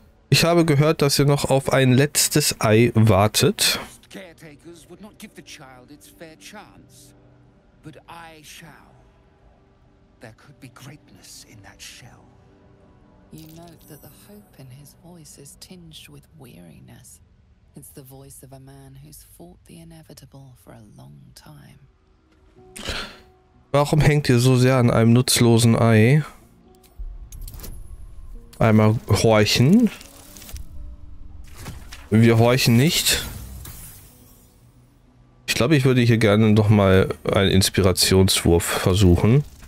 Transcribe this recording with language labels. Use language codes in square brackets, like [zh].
[de] Ich habe gehört, dass ihr noch auf ein letztes Ei wartet. [en] Caretakers would not give the child its fair chance, but I shall. There could be greatness in that shell. You note that the hope in his voice is tinged with weariness. It's the voice of a man who's fought the inevitable for a long time. [de] Warum hängt ihr so sehr an einem nutzlosen Ei? Einmal horchen. Wir horchen nicht. Ich glaube, ich würde hier gerne noch mal einen Inspirationswurf versuchen.